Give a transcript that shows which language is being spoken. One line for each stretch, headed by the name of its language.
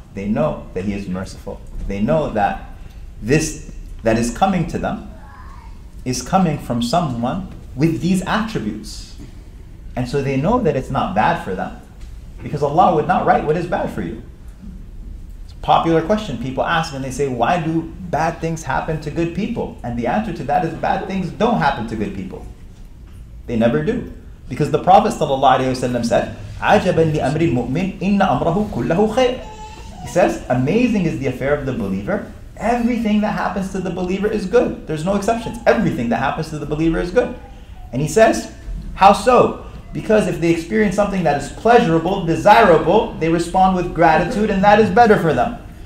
English: They know that he is merciful. They know that this that is coming to them is coming from someone with these attributes. And so they know that it's not bad for them, because Allah would not write what is bad for you. It's a popular question people ask, and they say, why do bad things happen to good people? And the answer to that is, bad things don't happen to good people. They never do. Because the Prophet ﷺ said,
Arabic: عَجَبًا لِأَمْرِ الْمُؤْمِنِ إِنَّ أَمْرَهُ كُلَّهُ خَيْرٌ.
English: He says, amazing is the affair of the believer. Everything that happens to the believer is good. There's no exceptions. Everything that happens to the believer is good. And he says, how so? Because if they experience something that is pleasurable, desirable, they respond with gratitude, and that is better for them.